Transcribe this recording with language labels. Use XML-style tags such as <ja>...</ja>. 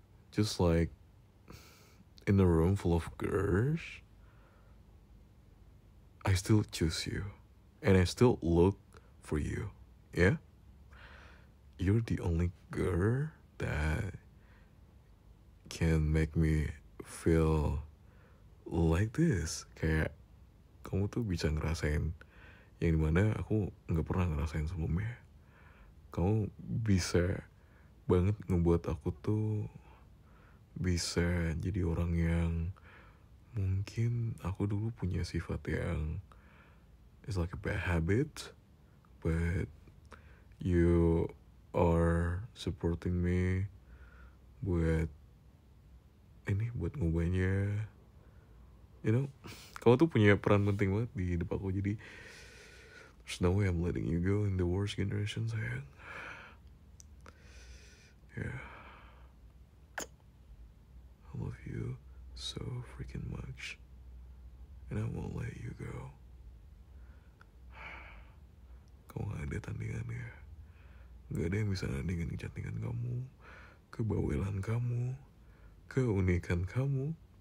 <en>Just like in a room full of girls, I still choose you and I still look for you. Yeah. You're the only girl that can make me feel like this.</en> <id>Kayak kamu tuh bisa ngerasain yang dimana aku gak pernah ngerasain sebelumnya. Kamu bisa banget ngebuat aku tuh bisa jadi orang yang mungkin aku dulu punya sifat yang</id> <en>it's like a bad habit, but you are supporting me</en> <id>buat ini, buat ngubahnya.</id> <en>You know,</en> <id>kamu tuh punya peran penting banget di hidup aku.</id> <en>Jadi there's no way I'm letting you go in the worst generation, sayang. Yeah, I love you so freaking much, and I won't let you go.</en> <id>Kamu gak ada tandingan ya. Gak ada yang bisa nandingin kecantikan kamu, kebawelan kamu, keunikan kamu.</id>